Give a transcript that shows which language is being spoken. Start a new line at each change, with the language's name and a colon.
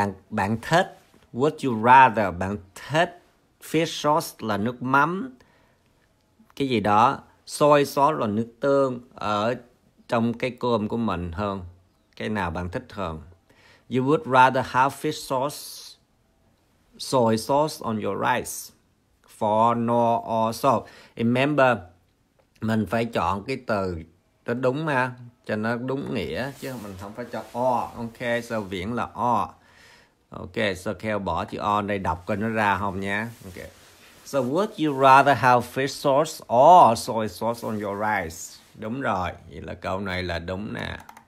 Vietnamese: Bạn thích.
English: Would you rather?
Vietnamese: Bạn thích fish sauce là nước mắm. Cái gì đó. Soy sauce là nước tương ở trong cái cơm của mình hơn. Cái nào bạn thích hơn?
English: You would rather have fish sauce, soy sauce on your rice, for no or so.
Vietnamese: Remember, mình phải chọn cái từ nó đúng ha, cho nó đúng nghĩa, chứ mình không phải chọn or. Ok, so viễn là or. Ok, so Kel bỏ chữ or đây, đọc coi nó ra không nha.
English: Ok, so would you rather have fish sauce or soy sauce on your rice?
Vietnamese: Đúng rồi, vậy là câu này là đúng nè.